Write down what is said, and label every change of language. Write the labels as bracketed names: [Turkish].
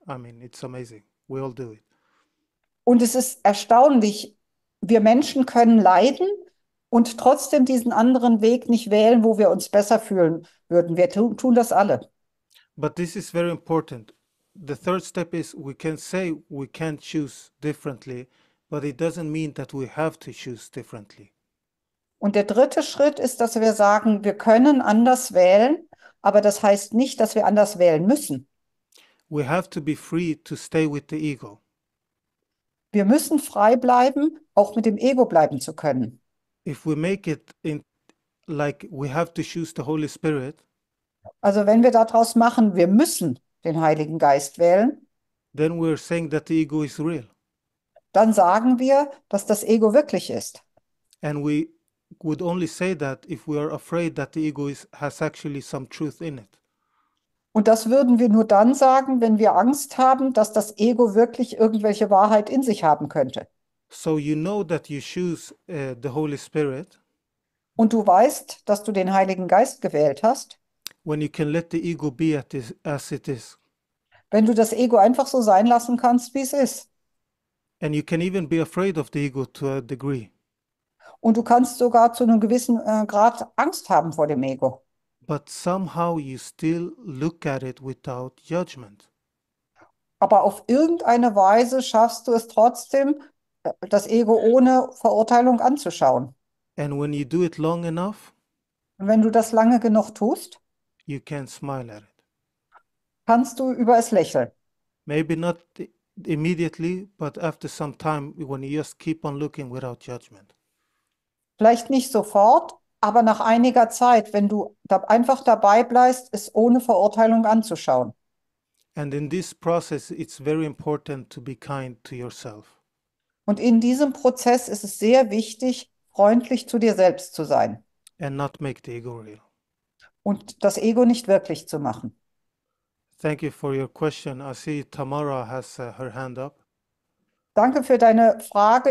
[English] I mean, it's amazing. We all do it. [German] Und es ist erstaunlich, wir Menschen können leiden und trotzdem diesen anderen Weg nicht wählen, wo wir uns besser fühlen würden. Wir tun das alle. [English] But this is very important. The third step is we can say we can choose differently, but it doesn't mean that we have to choose differently. [German] Und der dritte Schritt ist, dass wir sagen, wir können anders wählen, aber das heißt nicht, dass wir anders wählen müssen. [English] We have to be free to stay with the ego. [German] Wir müssen frei bleiben, auch mit dem Ego bleiben zu können. [English] If we make it in like we have to choose the Holy Spirit, [German] Also wenn wir daraus machen, wir müssen den Heiligen Geist wählen, [English] then we're saying that the ego is real. [German] dann sagen wir, dass das Ego wirklich ist. [English] And we would only say that if we are afraid that the ego is, has actually some truth in it. [German] Und das würden wir nur dann sagen, wenn wir Angst haben, dass das Ego wirklich irgendwelche Wahrheit in sich haben könnte. [English] So you know that you choose the Holy Spirit [German] Und du weißt, dass du den Heiligen Geist gewählt hast. [English] when you can let the ego be at this, as it is. [German] Wenn du das Ego einfach so sein lassen kannst, wie es ist. [English] And you can even be afraid of the ego to a degree. [German] Und du kannst sogar zu einem gewissen Grad Angst haben vor dem Ego. [English] But somehow you still look at it without judgment. [German] Aber auf irgendeine Weise schaffst du es trotzdem, das Ego ohne Verurteilung anzuschauen. [English] And when you do it long enough, [German] Und wenn du das lange genug tust, [English] you can smile at it. [German] kannst du über es lächeln. [English] Maybe not immediately, but after some time, when you just keep on looking without judgment. [German] Vielleicht nicht sofort, aber nach einiger Zeit, wenn du da einfach dabei bleibst, es ohne Verurteilung anzuschauen. [English] And in this process, it's very important to be kind to yourself. [German] Und in diesem Prozess ist es sehr wichtig, freundlich zu dir selbst zu sein [English] And not make the ego real. [German] und das Ego nicht wirklich zu machen. [English] Thank you for your question. I see Tamara has her hand up. [German] Danke für deine Frage.